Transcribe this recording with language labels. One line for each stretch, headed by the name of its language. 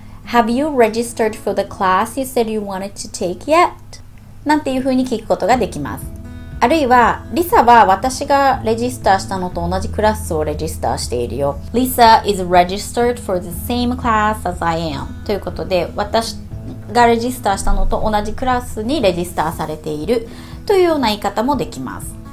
English: Have you registered for the class you said you wanted to take yet?
Japanese: なんていう風に聞くことができます。あるいは、リサは私がレジスターしたのと同じクラスをレジスターしているよ。
English: Lisa is registered for the same class as I am.
Japanese: ということで、私がレジスターしたのと同じクラスにレジスターされているというような言い方もできます。